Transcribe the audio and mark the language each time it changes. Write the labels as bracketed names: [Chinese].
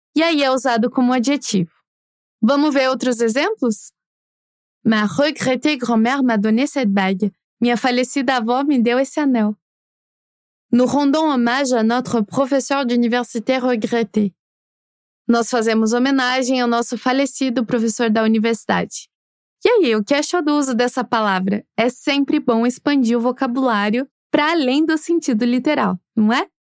[Portuguese] E aí é usado como adjetivo. Vamos ver outros exemplos? [French] Ma regrettée grand-mère m'a donné cette bague. [Portuguese] Minha falecida avó me deu esse anel. [French] Nous rendons hommage à notre professeur d'université regretté. [Portuguese] Nós fazemos homenagem ao nosso falecido professor da universidade. E aí, o que achou do uso dessa palavra? É sempre bom expandir o vocabulário para além do sentido literal, não é?